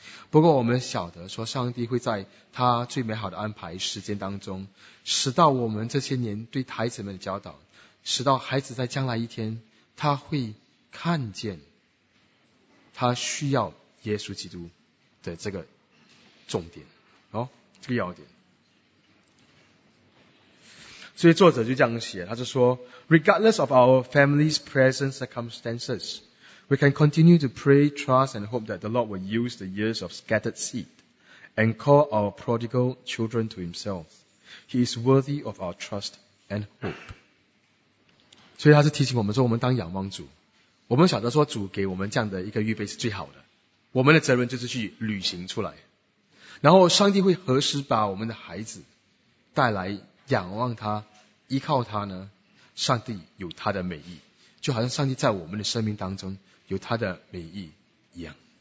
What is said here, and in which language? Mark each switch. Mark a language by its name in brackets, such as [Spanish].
[Chinese] 不过我们晓得说，上帝会在他最美好的安排时间当中，使到我们这些年对孩子们的教导，使到孩子在将来一天他会看见他需要耶稣基督的这个重点，哦，这个要点。所以作者就这样写，他就说 [English] Regardless of our family's present circumstances, we can continue to pray, trust and hope that the Lord will use the years of scattered seed and call our prodigal children to himself. He is worthy of our trust and hope. [Chinese] 所以他是提醒我们说，我们当仰望主，我们晓得说主给我们这样的一个预备是最好的，我们的责任就是去履行出来，然后上帝会何时把我们的孩子带来仰望他依靠他呢？上帝有他的美意，就好像上帝在我们的生命当中有他的美意一样。